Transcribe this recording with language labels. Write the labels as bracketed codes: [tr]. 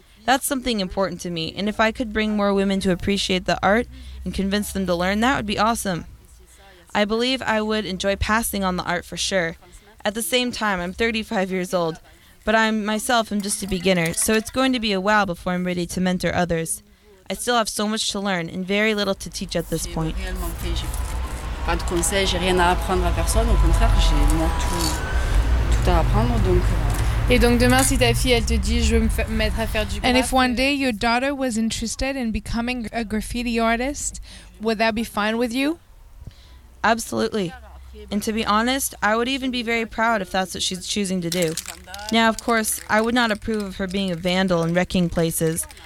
[en] That's something important to me, and if I could bring more women to appreciate the art and convince them to learn, that would be awesome. I believe I would enjoy passing on the art for sure. At the same time, I'm 35 years old, but I myself am just a beginner, so it's going to be a while before I'm ready to mentor others. I still have so much to learn and very little to teach at this point. [fr] Pas de conseils, j'ai rien à apprendre à personne. Au contraire, j'ai moi tout à apprendre. Donc. Et donc demain, si ta fille elle te dit, je veux me mettre à faire du. [en] And if one day your daughter was interested in becoming a graffiti artist, would that be fine with you? Absolutely. And to be honest, I would even be very proud if that's what she's choosing to do. Now, of course, I would not approve of her being a vandal and wrecking places.